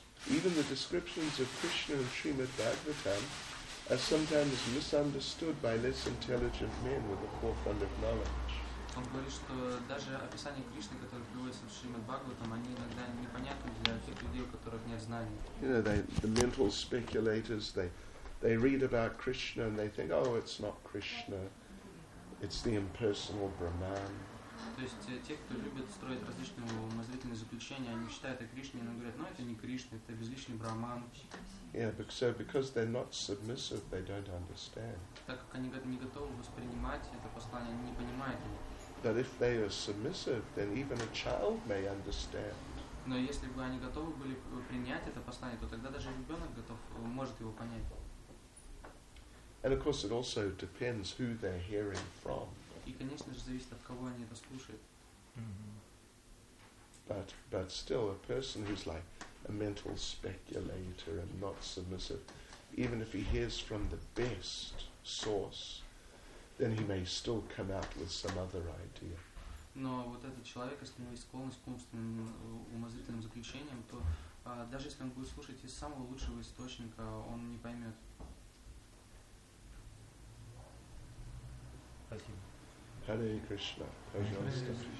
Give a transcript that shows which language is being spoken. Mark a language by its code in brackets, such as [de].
[en] Even the descriptions of Krishna and Srimad Bhagavatam are sometimes misunderstood by less intelligent men with a poor fund of knowledge. [ru] Он говорит, что даже описания Кришны, которые приводятся в Шримад Бхагаватам, они иногда непонятны для тех людей, у которых нет знаний. [en] You know, the mental speculators, they read about Krishna and they think, oh, it's not Krishna, it's the impersonal Brahman. [ru] То есть те, кто любят строить различные умозрительные заключения, они считают о Кришне, но говорят, ну это не Кришна, это безличный Брахман. [en] Yeah, so because they're not submissive, they don't understand. [ru] Так как они не готовы воспринимать это послание, они не понимают его. [en] But if they are submissive, then even a child may understand. [ru] Но если бы они готовы были принять это послание, то тогда даже ребенок готов, может его понять. [en] And of course it also depends who they're hearing from. [ru] И, конечно же, зависит от кого они это слушают. [en] But still, a person who's like a mental speculator and not submissive, even if he hears from the best source, then he may still come out with some other idea. [ru] Но вот этот человек, если у него есть склонность к умственным умозрительным заключениям, то даже если он будет слушать из самого лучшего источника, он не поймет. Спасибо. Hare Krishna. Пожалуйста.